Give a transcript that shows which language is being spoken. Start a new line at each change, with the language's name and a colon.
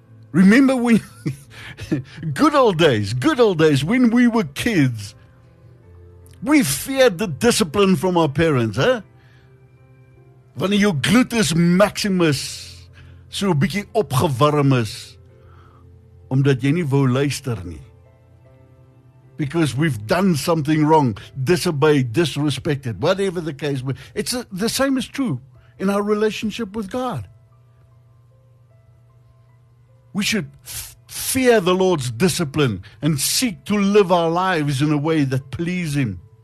English: Remember when good old days when we were kids, we feared the discipline from our parents, eh?
Afrikaans: Wanneer jou gluteus maximus so 'n bietjie opgewarm is omdat jy nie wou luister nie.
English: Because we've done something wrong, disobeyed, disrespected, whatever the case. It's the same is true in our relationship with God. We should fear the Lord's discipline and seek to live our lives in a way that please him.